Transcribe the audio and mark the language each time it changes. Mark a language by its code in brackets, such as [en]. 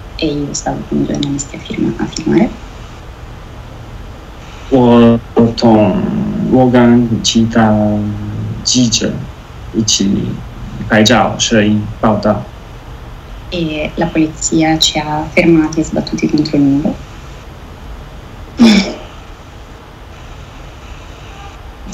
[it] E io stavo con i giornalisti a firmare。 [zh] 我跟其他记者一起拍照、摄影、报道。 [it] E la polizia ci ha fermati e sbattuti contro il muro。